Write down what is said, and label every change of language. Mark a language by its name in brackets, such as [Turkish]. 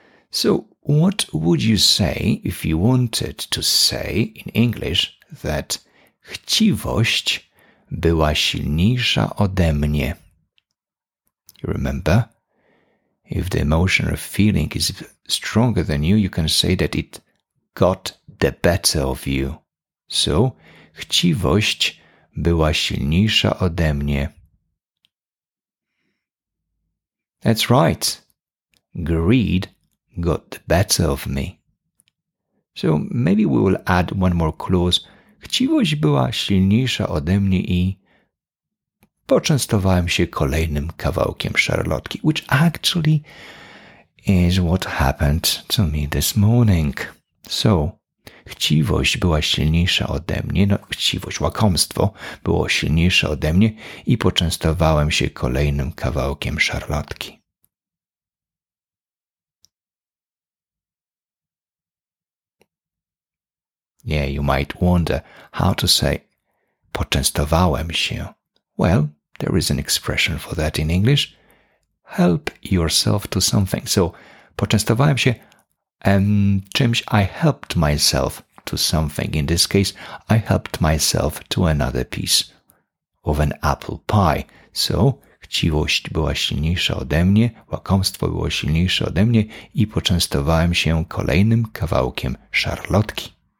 [English] So what would you say if you wanted to say in English that [Polish] chciwość była silniejsza ode mnie? [English] You remember? If the emotion or feeling is stronger than you, you can say that it got the better of you. [Polish] So, chciwość była silniejsza ode mnie. [English] That's right. Greed got the better of me. So, maybe we will add one more clause. [Polish] Chciwość była silniejsza ode mnie i poczęstowałem się kolejnym kawałkiem szarlotki, [English] which actually is what happened to me this morning. So, [Polish] chciwość była silniejsza ode mnie, no chciwość, łakomstwo było silniejsze ode mnie i poczęstowałem się kolejnym kawałkiem szarlotki. [English] Yeah, you might wonder how to say [Polish] poczęstowałem się. [English] Well, there is an expression for that in English. Help yourself to something. So, [Polish] poczęstowałem się czymś, [English] I helped myself to something. In this case, I helped myself to another piece of an apple pie. [Polish] So, chciwość była silniejsza ode mnie, łakomstwo było silniejsze ode mnie i poczęstowałem się kolejnym kawałkiem szarlotki.